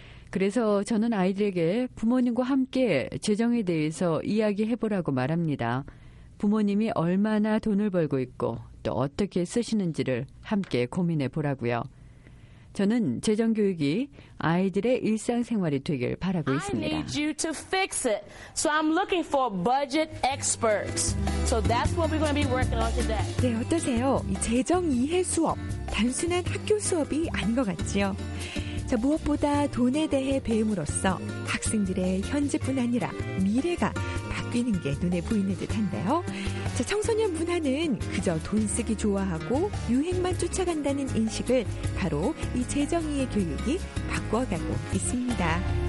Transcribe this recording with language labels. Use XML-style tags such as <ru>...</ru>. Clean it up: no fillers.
<ko>그래서 저는 아이들에게 부모님과 함께 재정에 대해서 이야기해보라고 말합니다. 부모님이 얼마나 돈을 벌고 있고 또 어떻게 쓰시는지를 함께 고민해보라고요. 저는 재정 교육이 아이들의 일상생활이 되길 바라고 있습니다.</ko> <en>I need you to fix it. So I'm looking for budget experts. So that's what we're going to be working on today.</en> <ko>네, 어떠세요? 이 재정 이해 수업, 단순한 학교 수업이 아닌 것 같지요? 자, 무엇보다 돈에 대해 배움으로써 학생들의 현재뿐 아니라 미래가 바뀌는 게 눈에 보이는 듯한데요. 자, 청소년 문화는 그저 돈 쓰기 좋아하고 유행만 쫓아간다는 인식을 바로 이 재정이해 교육이 바꿔가고 있습니다.</ko>